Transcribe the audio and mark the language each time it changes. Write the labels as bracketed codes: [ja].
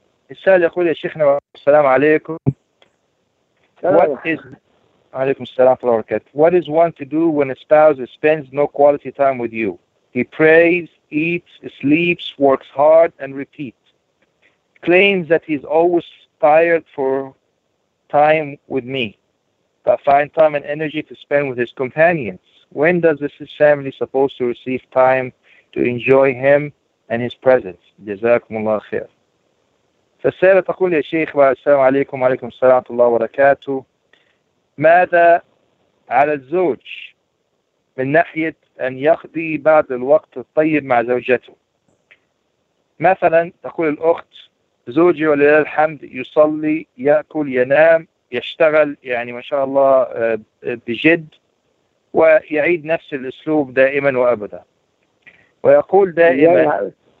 [ar] السؤال يقول يا شيخنا السلام عليكم عليكم السلام ورحمة الله وبركاته. [en] What is one to do when a spouse spends no quality time with you? He prays, eats, sleeps, works hard and repeats. Claims that he's always tired for time with me, but find time and energy to spend with his companions. When does this family supposed to receive time to enjoy him and his presence? [ar] جزاكم الله خير. فالسائلة تقول يا شيخ السلام عليكم وعليكم السلام ورحمة الله وبركاته. ماذا على الزوج من ناحية أن يقضي بعض الوقت الطيب مع زوجته؟ مثلا تقول الأخت زوجي ولله الحمد يصلي، يأكل، ينام، يشتغل ما شاء الله بجد، ويعيد نفس الأسلوب دائما وأبدا، ويقول دائما